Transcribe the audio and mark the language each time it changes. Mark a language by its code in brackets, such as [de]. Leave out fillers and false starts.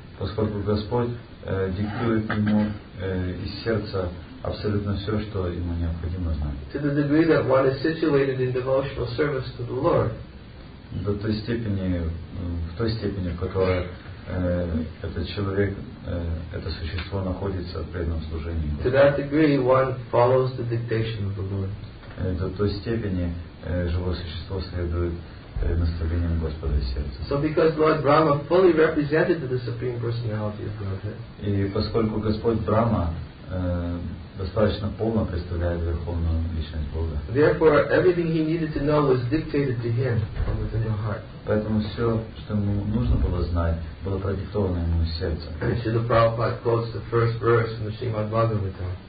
[ru] Поскольку Господь диктует ему из сердца абсолютно все, что ему необходимо знать. До той степени, в той степени, в которой этот человек, это существо находится в преданном служении. [en] To that degree, one follows the dictation of the Lord. [ru] До той степени живое существо следует наставлениям Господа сердца. [en] So because Lord Brahma fully represented the Supreme Personality of Godhead. [ru] И поскольку Господь Брахма достаточно полно представляет Верховную Личность Бога. [en] Therefore, everything he needed to know was dictated to him from within his heart. [ru] Поэтому все, что ему нужно было знать, было продиктовано ему из сердца. [en] Шрила Прабхупада quotes the first verse from the Shrimad Bhagavatam.